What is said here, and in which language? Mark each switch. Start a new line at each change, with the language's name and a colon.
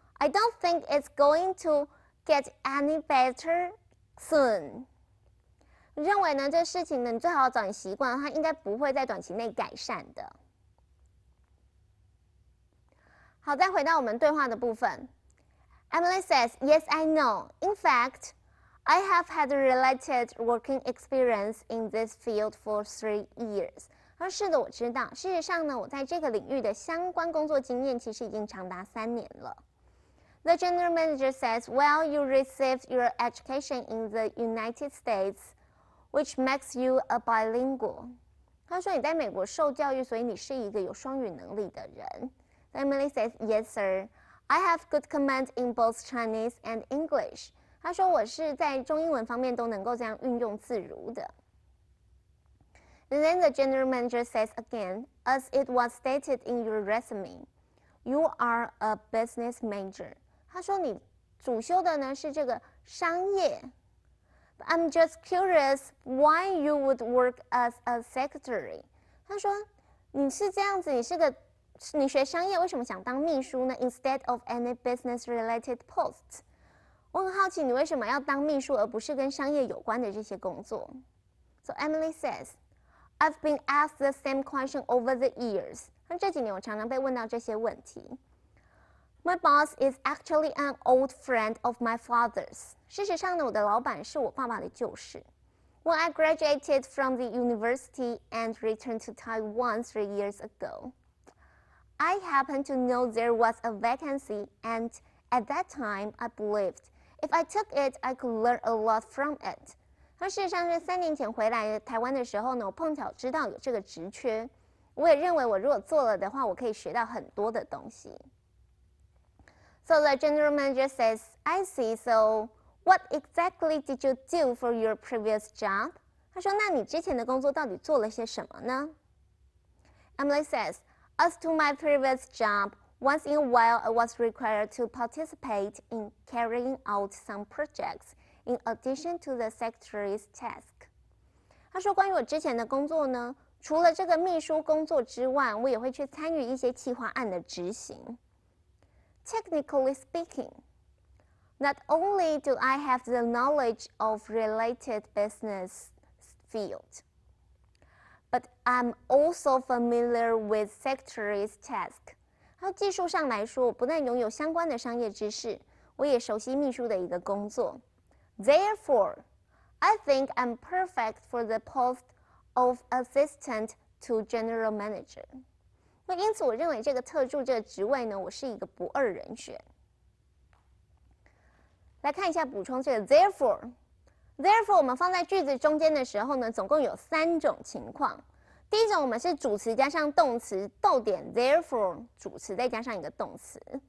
English: I don't think it's going to get any better.
Chinese: Soon， 认为呢，这事情呢，你最好早点习惯，它应该不会在短期内改善的。好，再回到我们对话的部分。
English: Emily says, "Yes, I know. In fact, I have had a related working experience in this field for 3 years."
Chinese: 她说是的，我知道。事实上呢，我在这个领域的相关工作经验其实已经长达三年了。
English: The general manager says, well, you received your education in the United States, which makes you a bilingual.
Chinese: 他说你在美国受教育，所以你是一个有双语能力的人。
English: Emily says, yes, sir. I have good command in both Chinese and English.
Chinese: 他说我是在中英文方面都能够这样运用自如的。
English: And then the general manager says again, as it was stated in your resume, you are a business major.
Chinese: 他说你主修的呢是这个商业。
English: I'm just curious why you would work as a secretary.
Chinese: 他说你是这样子，你学商业为什么想当秘书呢 ?
English: instead of any business related post.
Chinese: 我很好奇你为什么要当秘书而不是跟商业有关的这些工作。
English: So Emily says, I've been asked the same question over the years.
Chinese: 这几年我常常被问到这些问题。
English: My boss is actually an old friend of my father's.
Chinese: 事实上呢，我的老板是我爸爸的旧识。
English: When I graduated from the university and returned to Taiwan 3 years ago, I happened to know there was a vacancy, and at that time, I believed if I took it, I could learn a lot from it.
Chinese: 事实上是三年前回来台湾的时候呢，我碰巧知道有这个职缺，我也认为我如果做了的话，我可以学到很多的东西。
English: So the general manager says, I see, so what exactly did you do for your previous job?
Chinese: 他说，那你之前的工作到底做了些什么呢？
English: Emily says, as to my previous job, once in a while I was required to participate in carrying out some projects in addition to the secretary's task.
Chinese: 他说，关于我之前的工作呢，除了这个秘书工作之外，我也会去参与一些企划案的执行。
English: Technically speaking, not only do I have the knowledge of related business field, but I'm also familiar with secretary's task.
Chinese: 技术上来说，我不但拥有相关的商业知识，我也熟悉秘书的一个工作。
English: Therefore, I think I'm perfect for the post of assistant to general manager.
Chinese: 因此我认为这个特助这个职位呢，我是一个不二人选。来看一下补充这个 therefore 我们放在句子中间的时候呢，总共有三种情况。第一种，我们是主词加上动词，逗点 therefore 主词再加上一个动词。